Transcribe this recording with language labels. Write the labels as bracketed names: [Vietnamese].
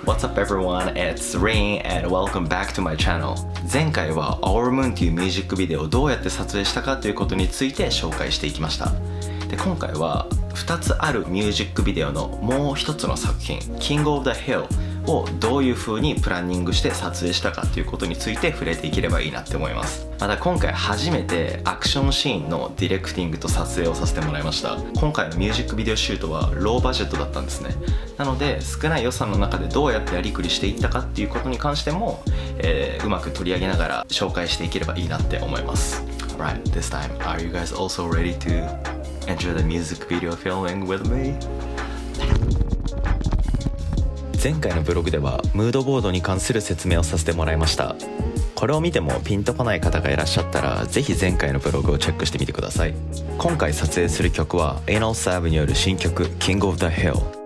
[English] What's up everyone, it's Rain and welcome back to my channel. [Japanese] 前回は Our Moon というミュージックビデオをどうやって撮影したかということについて紹介していきました。で、今回は2つあるミュージックビデオのもう1つの作品 King of the Hill をどういう風にプランニングして撮影したかということについて触れていければいいなって思います。また今回初めてアクションシーンのディレクティングと撮影をさせてもらいました。今回のミュージックビデオシュートはローバジェットだったんですね。なので少ない予算の中でどうやってやりくりしていったかっていうことに関しても、うまく取り上げながら紹介していければいいなって思います。 [English] Alright, this time are you guys also ready to enjoy the music video filming with me? [Japanese] 前回のブログではムードボードに関する説明をさせてもらいました。これを見てもピンとこない方がいらっしゃったらぜひ前回のブログをチェックしてみてください。今回撮影する曲は Enilssab による新曲 King of the Hill。